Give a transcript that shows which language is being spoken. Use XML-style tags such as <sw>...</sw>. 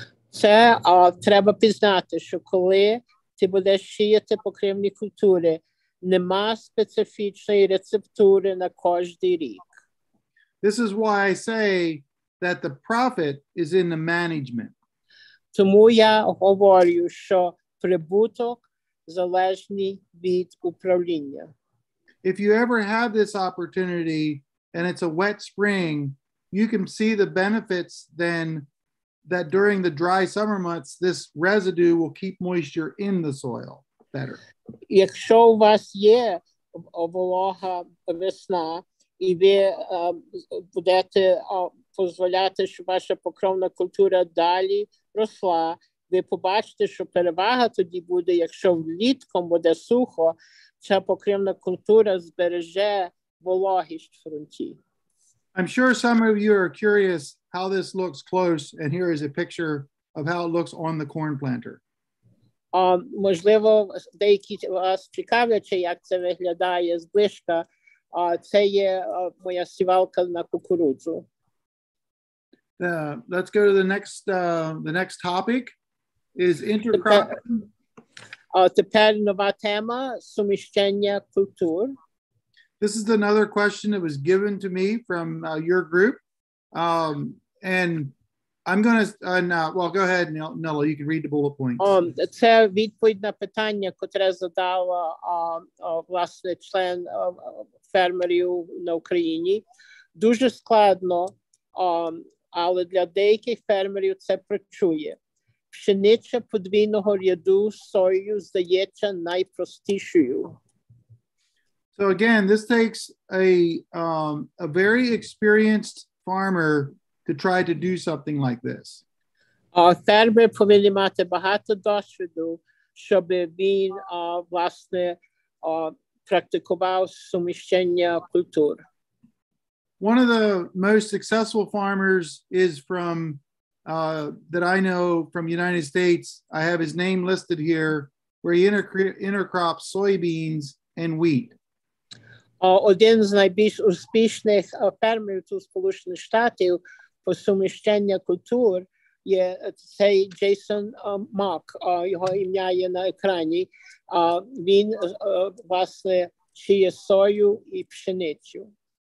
<uk>Це треба пізнати, що коли ти будеш сіяти покривні культури, нема специфічної рецептури на кожний рік.</uk> <en>This is why I say that the profit is in the management.</en> <uk>Тому я говорю, що прибуток залежний від управління.</uk> <en>If you ever have this opportunity and it's a wet spring, you can see the benefits then that during the dry summer months, this residue will keep moisture in the soil better.</en> <uk>Якщо у вас є вологу весна, і ви будете дозволяти, щоб ваша покровна культура далі росла, ви побачите, що перевага тоді буде, якщо влітком буде сухо, ця покривна культура збереже вологість фронті.</uk> <en>I'm sure some of you are curious how this looks close, and here is a picture of how it looks on the corn planter.</en> <uk>Можливо, деякі вас цікавляться, як це виглядає зближка. Це є моя сівалка на кукурудзу.</uk> <en>Let's go to the next topic is intercropping.</en> <uk>Тепер нова тема – суміщення культур.</uk> <en>This is another question that was given to me from your group. Go ahead, Nello, you can read the bullet points.</en> <uk>Це відповідь на питання, котре задала власне член фермерів на Україні. Дуже складно, але для деяких фермерів це працює. Пшениця подвійного ряду з соєю здається найпростішою.</uk> <en>So again, this takes a very experienced farmer to try to do something like this.</en> <uk>Фермер повинен мати багато досвіду, щоб він власне практикував суміщення культур.</uk> <en>One of the most successful farmers is from that I know from United States. I have his name listed here, where he intercrops soybeans and wheat.</en> <uk>Один з найбільш успішних фермерів у Сполучених Штатах по суміщенню культур є цей Джейсон Мак. Його ім'я є на екрані. Він власне сіє сою і пшеницю.</uk>